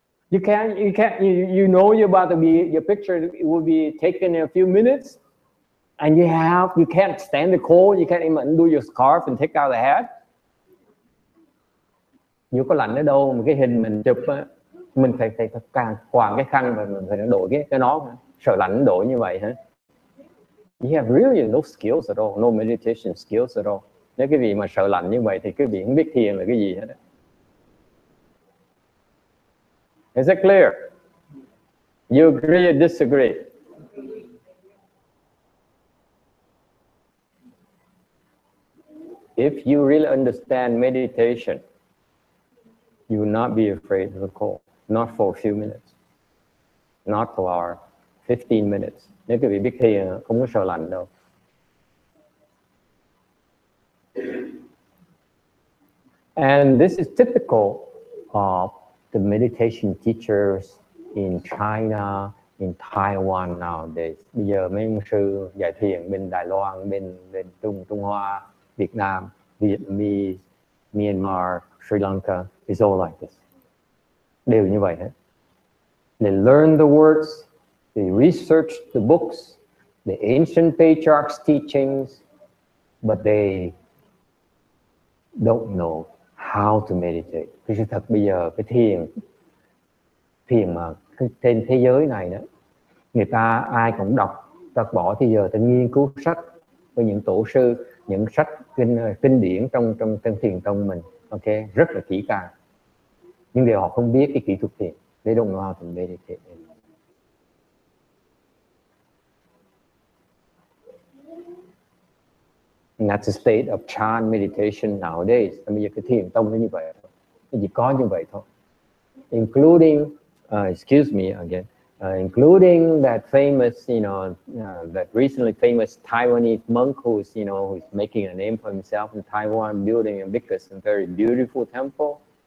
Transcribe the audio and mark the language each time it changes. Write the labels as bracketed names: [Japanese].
[English] You know you're about to be, your picture it will be taken in a few minutes. And you can't stand the cold, you can't even undo your scarf and take out the hat. [Vietnamese] Nếu có lạnh ở đâu mà cái hình mình chụp á, mình phải càng quàng cái khăn và mình phải đổi cái nó, sợ lạnh đổi như vậy hả? [English] You have really no skills at all, no meditation skills at all. [Vietnamese] Nếu cái vị mà sợ lạnh như vậy thì cái vị không biết thiền là cái gì hết. [English] Is it clear? You agree or disagree? If you really understand meditation, you will not be afraid of the cold. Not for a few minutes. Not for our 15 minutes. [Vietnamese] Nếu quý vị biết thì không có sợ lạnh đâu. [English] And this is typical of the meditation teachers in China, in Taiwan nowadays. [Vietnamese] Bây giờ mấy ông sư dạy thiền bên Đài Loan, bên Trung Hoa, Việt Nam, Vietnamese, Myanmar, Sri Lanka, [English] it's all like this. [Vietnamese] Đều như vậy hết. [English] They learn the words, they research the books, the ancient patriarchs' teachings, but they don't know how to meditate. [Vietnamese] Cái sự thật bây giờ, cái thiền mà trên thế giới này đó, người ta ai cũng đọc, ta bỏ thì giờ ta nghiên cứu sách với những tổ sư, những sách kinh điển trong thiền tông mình, ok, rất là kỹ càng. Nhưng điều họ không biết cái kỹ thuật thiền, [English] they don't know how to meditate. And that's the state of Chan meditation nowadays. [Vietnamese] Bây giờ cái thiền tông nó như vậy, chỉ có như vậy thôi. [English] Including that famous, that recently famous Taiwanese monk who's making a name for himself in Taiwan, building a big and very beautiful temple.